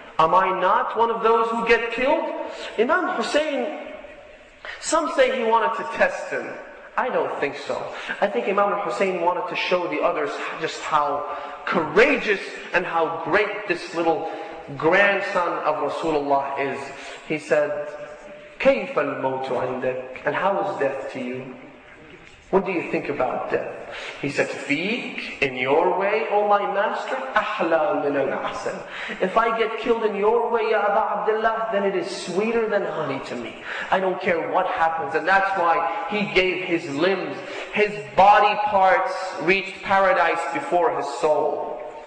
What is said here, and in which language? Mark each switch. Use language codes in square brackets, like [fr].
[en] Am I not one of those who get killed? Imam Hussein, some say he wanted to test him. I don't think so. I think Imam Hussein wanted to show the others just how courageous and how great this little grandson of Rasulullah is. He said, [ar] كيف الموت عندك? [en] And how is death to you? What do you think about death? He said, [ar] فيك, [en] in your way, O my master, [ar] أحلى من العسل. [en] If I get killed in your way, Ya Aba Abdullah, then it is sweeter than honey to me. I don't care what happens. And that's why he gave his limbs, his body parts reached paradise before his soul.